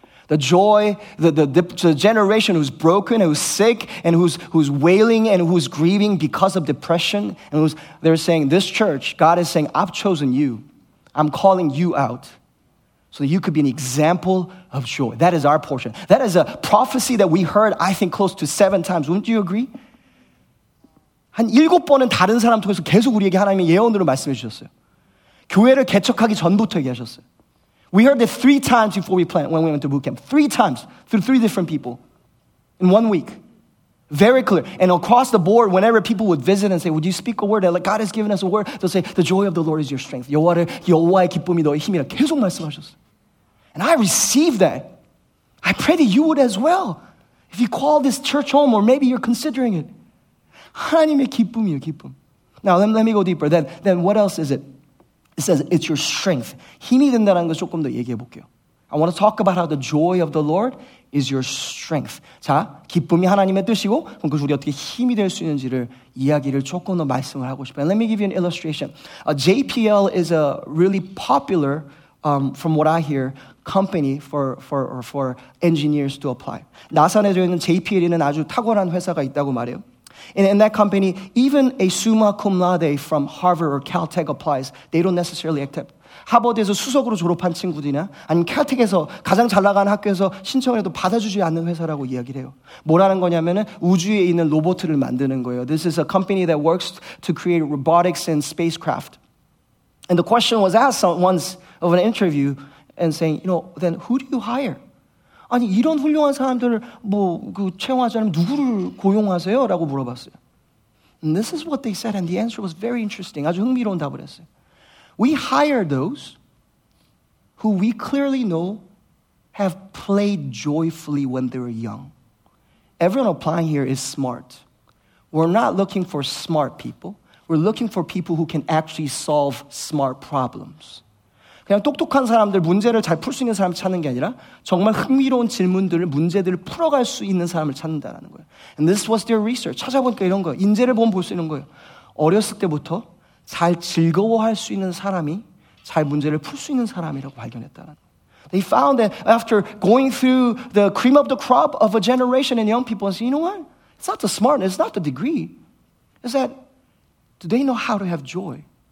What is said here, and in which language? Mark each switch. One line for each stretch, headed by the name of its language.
English: The joy, the generation who's broken, who's sick, and who's wailing and who's grieving because of depression. And who's, they're saying, this church, God is saying, I've chosen you. I'm calling you out. So that you could be an example of joy. That is our portion. That is a prophecy that we heard, I think, close to 7 times. Wouldn't you agree?
Korean: 한 7번은 다른 사람 통해서 계속 우리에게 하나님의 예언으로 말씀해 주셨어요. 교회를 개척하기 전부터 얘기하셨어요.
English: We heard it 3 times before we planned, when we went to boot camp. 3 times through 3 different people in 1 week. Very clear. And across the board, whenever people would visit and say, would you speak a word? Like, God has given us a word. They'll say, the joy of the Lord is your strength.
Korean: 여호와의 기쁨이 너의 힘이라 계속 말씀하셨어.
English: And I received that. I pray that you would as well. If you call this church home, or maybe you're considering it.
Korean: 하나님의 기쁨이요, 기쁨.
English: Now, let me go deeper. Then what else is it? It says, it's your strength.
Korean: 힘이 된다는 걸 조금 더 얘기해 볼게요.
English: I want to talk about how the joy of the Lord is your strength.
Korean: 자, 기쁨이 하나님의 뜻이고 그럼 그것이 우리 어떻게 힘이 될 수 있는지를 이야기를 조금 더 말씀을 하고 싶어요.
English: And let me give you an illustration. JPL is a really popular, from what I hear, company for engineers to apply.
Korean: 나산에 들어 있는 JPL이라는 아주 탁월한 회사가 있다고 말해요.
English: In that company, even a summa cum laude from Harvard or Caltech applies. They don't necessarily accept.
Korean: 하버드에서 수석으로 졸업한 친구들이나 아니면 캐어택에서 가장 잘 나가는 학교에서 신청을 해도 받아주지 않는 회사라고 이야기를 해요. 뭐라는 거냐면은 우주에 있는 로봇을 만드는 거예요.
English: This is a company that works to create robotics and spacecraft. And the question was asked once of an interview and saying, you know, then who do you hire?
Korean: 아니 이런 훌륭한 사람들을 뭐 그 채용하지 않으면 누구를 고용하세요? 라고 물어봤어요.
English: And this is what they said, and the answer was very interesting.
Korean: 아주 흥미로운 답을 했어요.
English: We hire those who we clearly know have played joyfully when they were young. Everyone applying here is smart. We're not looking for smart people. We're looking for people who can actually solve smart problems.
Korean: 그냥 똑똑한 사람들, 문제를 잘 풀 수 있는 사람을 찾는 게 아니라 정말 흥미로운 질문들을, 문제들을 풀어갈 수 있는 사람을 찾는다는 거예요.
English: And this was their research.
Korean: 찾아보니까 이런 거예요. 인재를 보면 볼 수 있는 거예요. 어렸을 때부터 잘 즐거워할 수 있는 사람이 잘 문제를 풀 수 있는 사람이라고 발견했다는 거예요.
English: They found that after going through the cream of the crop of a generation and young people and say, you know what? It's not the smartness, it's not the degree. It's that, do they know how to have joy?